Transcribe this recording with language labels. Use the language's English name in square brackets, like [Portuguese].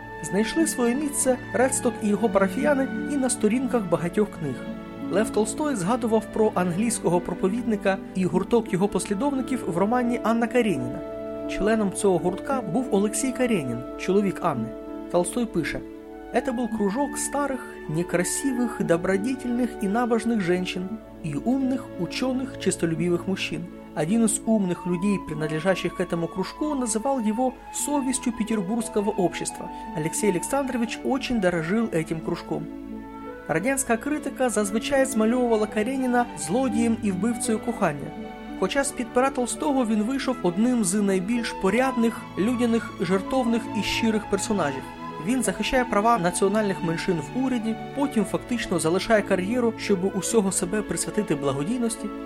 [Ukrainian] Знайшли своє місце Редсток і його парафіяни і на сторінках багатьох книг. Лев Толстой згадував про англійського проповідника і гурток його послідовників в романі «Анна Кареніна». Членом цього гуртка був Олексій Каренін, чоловік Анни. [Russian] Толстой пише: «Это был кружок старых, некрасивых, добродетельных и набожных женщин и умных, ученых, честолюбивых мужчин. Один из умных людей, принадлежащих к этому кружку, называл его совестью петербургского общества. Алексей Александрович очень дорожил этим кружком». [Ukrainian] Радянська критика зазвичай змальовувала Каренина злодієм і вбивцею кохання. Хоча з-під пера Толстого він вийшов одним з найбільш порядних, людяних, жертовних і щирих персонажів. Він захищає права національних меншин в уряді, потім фактично залишає кар'єру, щоб усього себе присвятити благодійності.